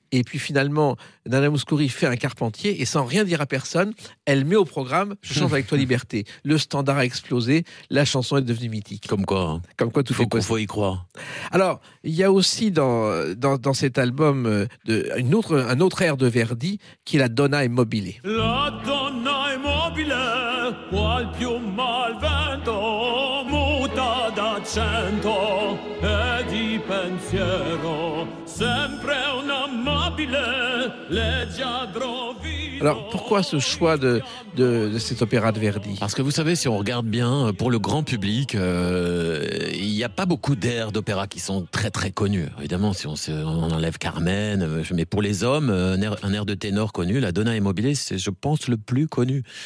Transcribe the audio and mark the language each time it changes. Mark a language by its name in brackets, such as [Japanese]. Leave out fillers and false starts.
[French] Et puis finalement, Nana Mouskouri fait un carpentier, et sans rien dire à personne, elle met au programme « Je chante avec toi, Liberté ». Le standard a explosé, la chanson est devenue mythique. Comme quoi, tout est possible. Il faut y croire. Alors, il y a aussi dans cet album un autre air de Verdi, qui est « La Donna est mobile ». [Italian] La Donna è mobile, qual più mal vento, muta d'accento e di pensiero, sempre una mobile, leggiadro. [French] Alors, pourquoi ce choix de cet opéra de Verdi? Parce que vous savez, si on regarde bien, pour le grand public, il n'y a pas beaucoup d'airs d'opéra qui sont très très connus. Évidemment, si on enlève Carmen, mais pour les hommes, un air de ténor connu, la Donna est mobile, c'est, je pense, le plus connu.